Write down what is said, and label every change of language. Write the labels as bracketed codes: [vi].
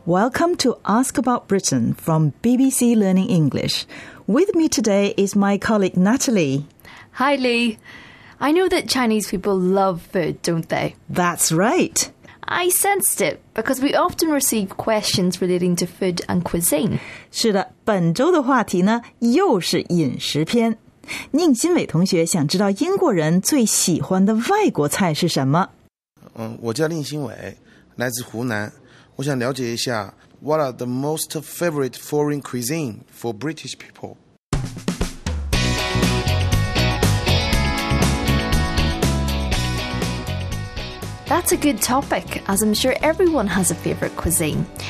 [en] Welcome to Ask About Britain from BBC Learning English. With me today is my colleague Natalie. Hi, Lee. I know that Chinese people love food, don't they? That's right. I sensed it, because we often receive questions relating to food and cuisine. [zh] 是的，本周的话题呢，又是饮食篇。宁新伟同学想知道英国人最喜欢的外国菜是什么？我叫宁新伟，来自湖南。我想了解一下 [en] ,What are the most favorite foreign cuisine for British people? That's a good topic, as I'm sure everyone has a favourite cuisine.